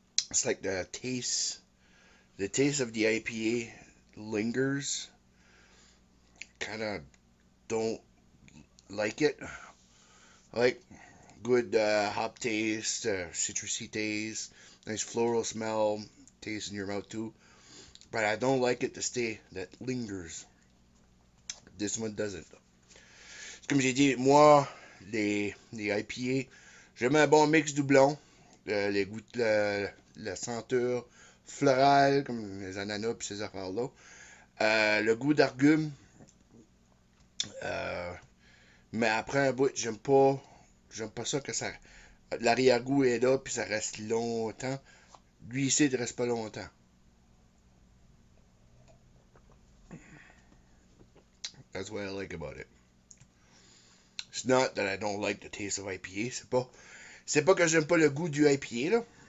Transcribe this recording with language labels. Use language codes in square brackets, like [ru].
[en] It's like the taste of the IPA lingers, kind of don't like it. Like good hop taste, citrusy taste, nice floral smell, taste in your mouth too. But I don't like it to stay, that lingers. This one doesn't. [fr] Comme j'ai dit, moi, les IPA, j'aime un bon mix doublon. Les goûts, la senteur florale, comme les ananas et ces affaires-là. Le goût d'argume. Mais après un bout, j'aime pas ça que ça. L'arrière-goût est là puis ça reste longtemps. Lui ici, il reste pas longtemps. [en] That's what I like about it. It's not that I don't like the taste of IPA. [fr] C'est pas que j'aime pas le goût du IPA, là.